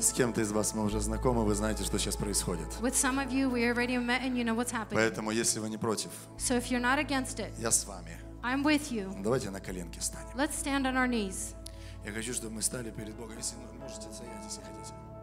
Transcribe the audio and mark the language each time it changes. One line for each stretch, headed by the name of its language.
Russian: С кем-то из вас мы уже знакомы, вы знаете, что сейчас происходит.
English: With some of you we already met and you know what's happening.
Russian: Поэтому, если вы не против,
English: so if you're not against it,
Russian: я с вами.
English: I'm with you.
Russian: Давайте на коленки встанем.
English: Let's stand on our knees.
Russian: Я хочу, чтобы мы стали перед Богом. Если вы можете стоять, если хотите.